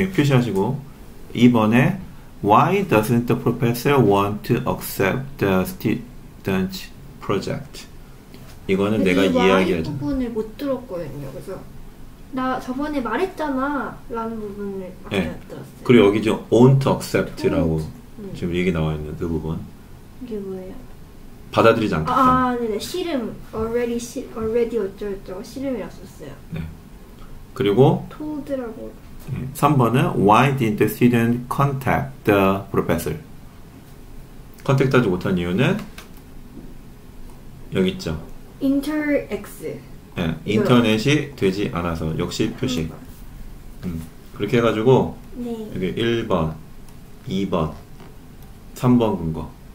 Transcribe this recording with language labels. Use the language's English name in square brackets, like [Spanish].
[Korean] 예, 표시하시고 2번에 [English] Why doesn't the professor want to accept the student project? [Korean] 이거는 내가 이야기하잖아. 이 부분을 못 들었거든요. 그래서 나 저번에 말했잖아 라는 부분을 예. 들었어요. 그리고 여기 지금 [English] won't accept [Korean] 라고 지금 얘기 나와있는 그 부분 이게 뭐예요? 받아들이지 않겠다. 아, 네네. 싫음. [English] Already [Korean] 어쩌고저쩌고 싫음이라고 썼어요. 네. 그리고 told라고. 3번은 [English] Why did the student contact the professor? [Korean] 컨택하지 못한 이유는 여기 있죠. [English] Inter X. [Korean] 네. 인터넷이 되지 않아서. 역시 표시. 그렇게 해가지고 네. 여기 1번, 2번, 3번 근거.